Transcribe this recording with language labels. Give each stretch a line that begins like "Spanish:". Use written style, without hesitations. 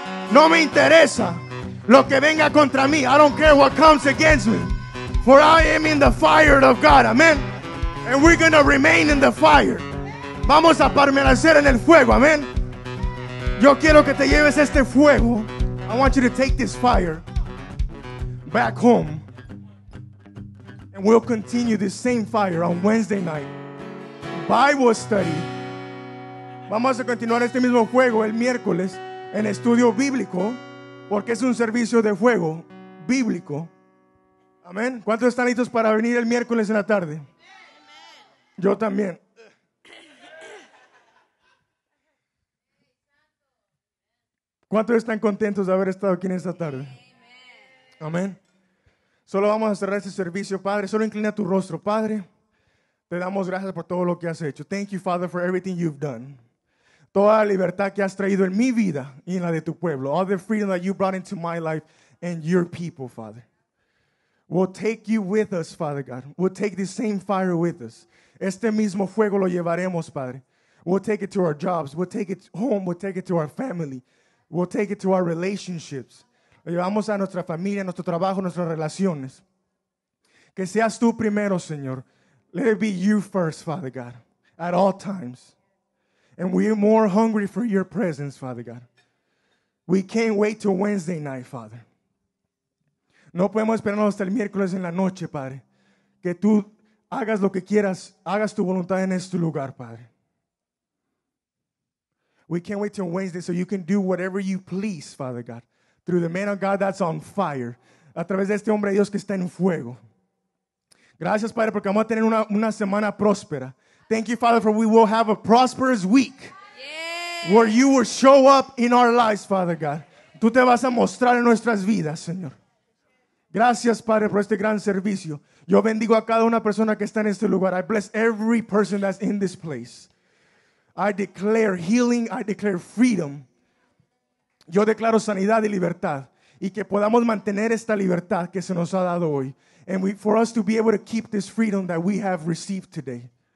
Spanish: No me interesa lo que venga contra mí.
English: I don't care what comes against me. For I am in the fire of God. Amen. And we're going to remain in the fire.
Spanish: Vamos a permanecer en el fuego. Amen. Yo quiero que te lleves este fuego.
English: I want you to take this fire back home. And we'll continue this same fire on Wednesday night. Bible study.
Spanish: Vamos a continuar este mismo fuego el miércoles en estudio bíblico, porque es un servicio de fuego bíblico. Amén. ¿Cuántos están listos para venir el miércoles en la tarde? Yo también. ¿Cuántos están contentos de haber estado aquí en esta tarde? Amén. Solo vamos a cerrar este servicio, Padre. Solo inclina tu rostro, Padre. Te damos gracias por todo lo que has hecho.
English: Thank you, Father, for everything you've done.
Spanish: Toda la libertad que has traído en mi vida y en la de tu pueblo.
English: All the freedom that you brought into my life and your people, Father. We'll take you with us, Father God. We'll take the same fire with us.
Spanish: Este mismo fuego lo llevaremos, Padre.
English: We'll take it to our jobs. We'll take it home. We'll take it to our family. We'll take it to our relationships.
Spanish: Lo llevamos a nuestra familia, nuestro trabajo, nuestras relaciones. Que seas tú primero, Señor.
English: Let it be you first, Father God, at all times. And we are more hungry for your presence, Father God. We can't wait till Wednesday night, Father.
Spanish: No podemos esperarnos hasta el miércoles en la noche, Padre. Que tú hagas lo que quieras, hagas tu voluntad en este lugar, Padre.
English: We can't wait till Wednesday so you can do whatever you please, Father God. Through the man of God that's on fire.
Spanish: A través de este hombre de Dios que está en fuego. Gracias, Padre, porque vamos a tener una semana próspera.
English: Thank you, Father, for we will have a prosperous week. Yeah. Where you will show up in our lives, Father God.
Spanish: Tú te vas a mostrar en nuestras vidas, Señor. Gracias, Padre, por este gran servicio. Yo bendigo a cada una persona que está en este lugar.
English: I bless every person that's in this place. I declare healing. I declare freedom.
Spanish: Yo declaro sanidad y libertad. Y que podamos mantener esta libertad que se nos ha dado hoy.
English: And we, for us to be able to keep this freedom that we have received today.